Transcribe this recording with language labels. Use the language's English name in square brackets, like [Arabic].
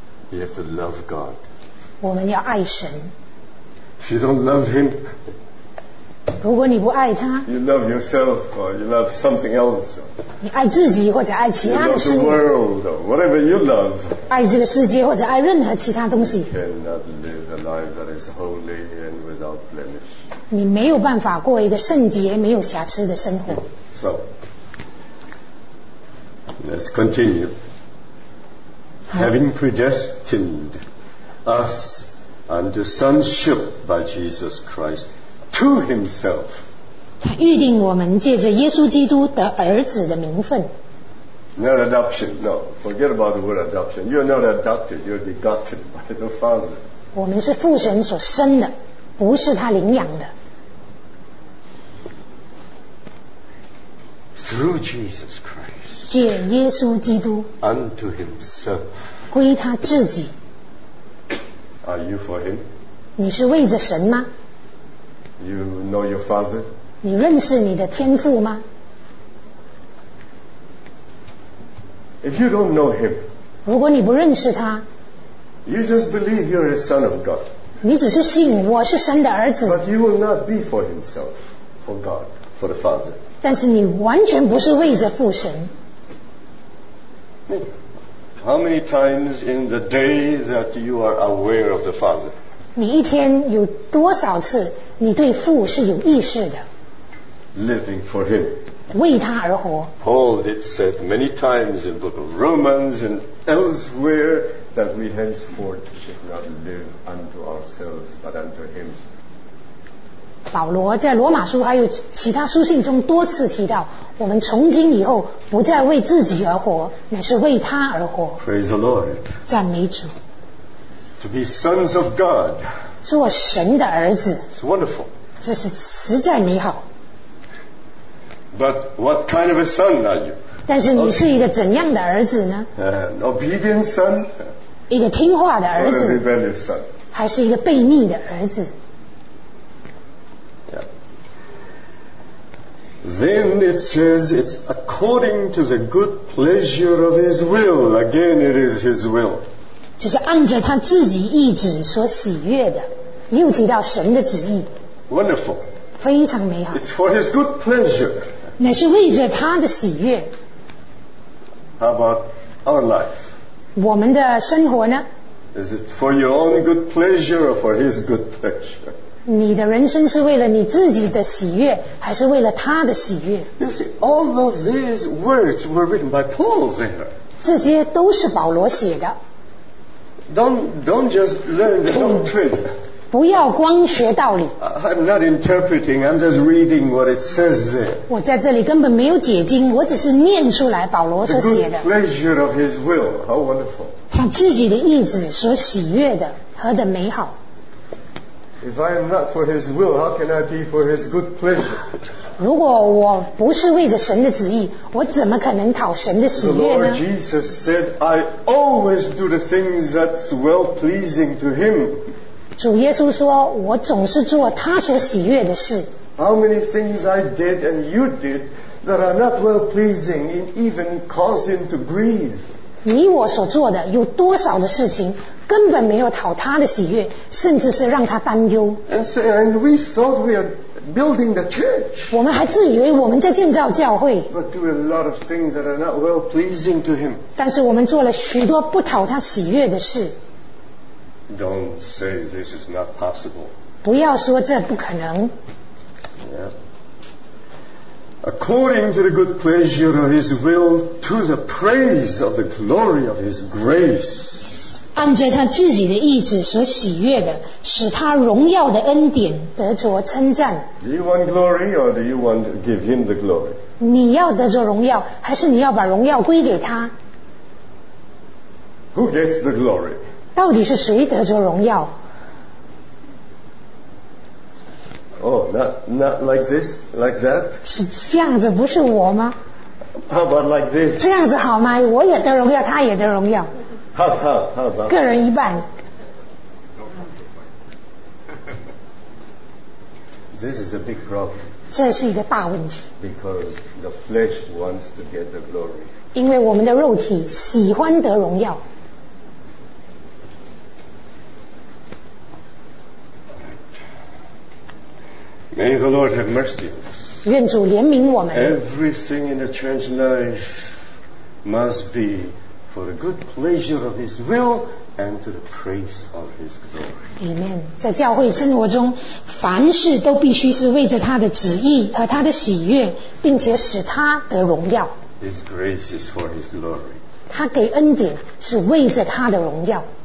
[English] You have to love God. [Chinese] 我们要爱神。 [English] If you don't love Him. [Chinese] 如果你不爱他， [English] you love yourself or you love something else. [Chinese] 你爱自己或者爱其他的事。 [English] You love the world, whatever you love. [Chinese] 爱这个世界或者爱任何其他东西。 [English] You cannot live a life that is holy and without blemish. [Chinese] 你没有办法过一个圣洁没有瑕疵的生活。 [English] So, let's continue. Having predestined us unto sonship by Jesus Christ. To himself. [Chinese] 他预定我们借着耶稣基督得儿子的名分。 [English] Not adoption, no. Forget about the word adoption. You're not adopted, you're begotten by the Father. [Chinese] 我们是父神所生的，不是他领养的。 [English] Through Jesus Christ. [Chinese] 借耶稣基督。 [English] Unto himself. [Chinese] 归他自己。 [English] Are you for him? [Chinese] 你是为着神吗？ [English] You know your father? [Chinese] 你认识你的天父吗？ [English] If you don't know him, [Chinese] 如果你不认识他， [English] you just believe you're a son of God. [Chinese] 你只是信我是神的儿子。 [English] But you will not be for himself, for God, for the Father. [Chinese] 但是你完全不是为着父神。 [English] How many times in the day that you are aware of the Father? [Chinese] 你一天有多少次你对父是有意识的？ [English] Living for him. [Chinese] 为他而活。 [English] Paul did said many times in the book of Romans and elsewhere that we henceforth should not live unto ourselves but unto him. [Chinese] 保罗在罗马书还有其他书信中多次提到，我们从今以后不再为自己而活，乃是为他而活。 [English] Praise the Lord. [Chinese] 赞美主。 [English] To be sons of God. [Chinese] 做神的儿子。 [English] It's wonderful. [Chinese] 这是实在美好。 [English] But what kind of a son are you? [Chinese] 但是你是一个怎样的儿子呢？ [English] An obedient son. [Chinese] 一个听话的儿子。 [English] Or a rebellious son. [Chinese] 还是一个悖逆的儿子。 [English] Then it says it's according to the good pleasure of his will. Again, it is his will. [Chinese] 就是按着他自己意志所喜悦的，又提到神的旨意。 [English] Wonderful， [Chinese] 非常美好。 [English] It's for His good pleasure， [Chinese] 乃是为着他的喜悦。 [English] How about our life？ [Chinese] 我们的生活呢 [English] ？Is it for your own good pleasure or for His good pleasure？ [Chinese] 你的人生是为了你自己的喜悦，还是为了他的喜悦？ [English] You see, all of these words were written by Paul there. [Chinese] 这些都是保罗写的。 [English] Don't just learn the doctrine. [Chinese] 不要光学道理。 [English] I'm not interpreting, I'm just reading what it says there. [Chinese] 我在这里根本没有解经，我只是念出来保罗所写的。 [English] The good pleasure of his will, how wonderful. [Chinese] 他自己的意志所喜悦的，何等美好。 [English] If I am not for his will, how can I be for his good pleasure? [Chinese] 如果我不是为着神的旨意，我怎么可能讨神的喜悦呢？ [English] The Lord Jesus said, I always do the things that's well pleasing to him. [Chinese] 主耶稣说，我总是做他所喜悦的事。 [English] How many things I did and you did that are not well pleasing and even cause him to grieve? [Chinese] 你我所做的有多少的事情根本没有讨他的喜悦，甚至是让他担忧。 [English] And we thought we are building the church. [Chinese] 我们还自以为我们在建造教会。 [English] But do a lot of things that are not well pleasing to him. [Chinese] 但是我们做了许多不讨他喜悦的事。 [English] Don't say this is not possible. [Chinese] 不要说这不可能。 [English] According to the good pleasure of his will, to the praise of the glory of his grace. [Chinese] 按着他自己的意志所喜悦的，使他荣耀的恩典得着称赞。 [English] Do you want glory or do you want to give him the glory? [Chinese] 你要得着荣耀，还是你要把荣耀归给他？ [English] Who gets the glory? [Chinese] 到底是谁得着荣耀？ [English] Oh, not like this, like that? [Chinese] 是这样子，不是我吗？ [English] How about like this? [Chinese] 这样子好吗？我也得荣耀，他也得荣耀。 [English] How about? [Chinese] 个人一半。 [English] This is a big problem. [Chinese] 这是一个大问题。 [English] Because the flesh wants to get the glory. [Chinese] 因为我们的肉体喜欢得荣耀。 [English] May the Lord have mercy on us. [Chinese] 愿主怜悯我们。 [English] Everything in the church life must be for the good pleasure of His will and to the praise of His glory. Amen. [Chinese] 在教会生活中，凡事都必须是为着他的旨意和他的喜悦，并且使他得荣耀。 [English] His grace is for His glory. [Chinese] 他给恩典是为着他的荣耀。